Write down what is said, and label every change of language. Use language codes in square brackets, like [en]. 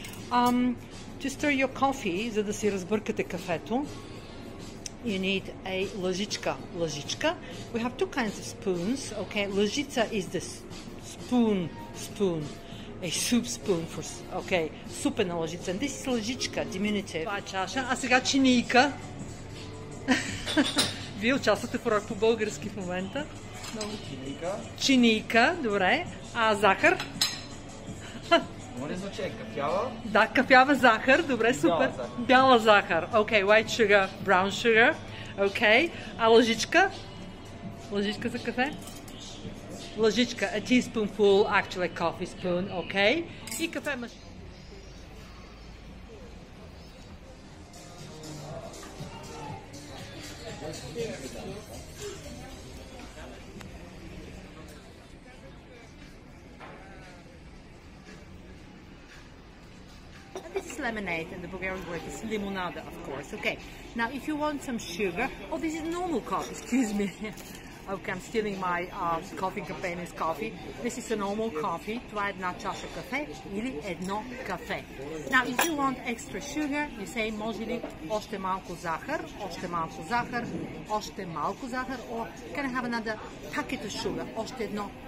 [en] To stir your coffee, [bg] за да си разбъркате кафето, [en] you need a лъжичка. Лъжичка. We have two kinds of spoons, okay? Лъжица is the spoon, a soup spoon for, okay? [bg] Супе на лъжица. [en] And this is лъжичка, diminutive. [bg] Това е чаша, а сега чиника. Вие участвате порък по-български в момента. Чиника. Чиника, добре. А захар? Моля за чек, кафява? Да, кафява захар, добре, супер. Бяла захар. Бяла захар. [en] Okay, white sugar, brown sugar. Okay, [bg] а лъжичка? Лъжичка за кафе? [en] Лъжичка, a teaspoonful, actually a coffee spoon, okay. [bg] И кафе машина. [en] Lemonade, and the Bulgarian word is limonada, of course. Okay, now if you want some sugar, oh, this is normal coffee, excuse me. Okay, I'm stealing my coffee companion's coffee. This is a normal coffee. [bg] Това е една чаша кафе или едно кафе. [en] Now, if you want extra sugar, you say, [bg] може ли още малко захар, още малко захар, още малко захар, [en] or can I have another packet of sugar, [bg] още едно